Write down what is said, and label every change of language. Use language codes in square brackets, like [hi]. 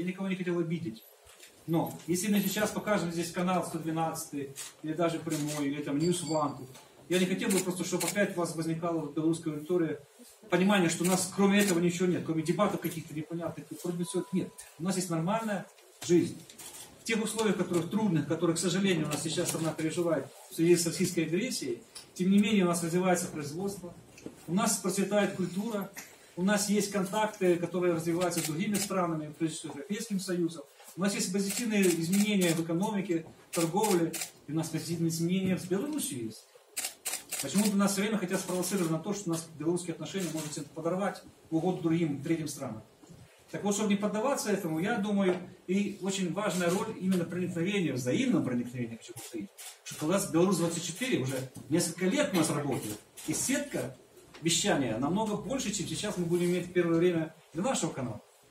[ru] Я никого не хотел обидеть. Но если мы сейчас покажем здесь канал 112, или даже прямой, или там News One, я не хотел бы просто, чтобы опять у вас возникало в белорусской аудитории понимание, что у нас кроме этого ничего нет, кроме дебатов каких-то непонятных, кроме всего этого нет. У нас есть нормальная жизнь. В тех условиях, которых трудных, которые, к сожалению, у нас сейчас страна переживает в связи с российской агрессией, тем не менее у нас развивается производство, у нас процветает культура, [uk] У нас є контакти, які розвиваються з іншими странами, в тому числі з Європейським Союзом. У нас є позитивні змінення в економіці, торговлі, і у нас позитивні змінення з Білорусією є. [ru] Чому до нас все время хотят спровоцировать на то, что у нас белорусские отношения могут подорвать в угоду другим, третьим странам. Так вот, чтобы не поддаваться этому, я думаю, и очень важная роль именно проникновения, взаимного проникновения, хочу повторить, что когда Беларусь-24 уже несколько лет у нас работает, и сетка вещания намного больше, чем сейчас мы будем иметь в первое время для нашего канала.